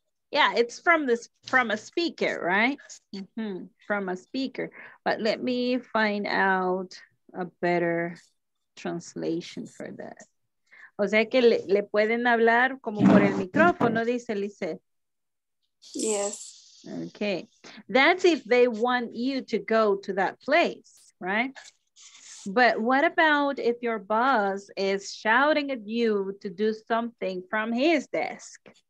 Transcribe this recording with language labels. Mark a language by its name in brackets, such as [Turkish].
[English] Yeah, it's from this from a speaker, right? Mm-hmm. From a speaker. But let me find out a better translation for that. [Spanish] O sea que le pueden hablar como por el micrófono, dice Lise. [English] Yes. Okay. That's if they want you to go to that place, right? But what about if your boss is shouting at you to do something from his desk?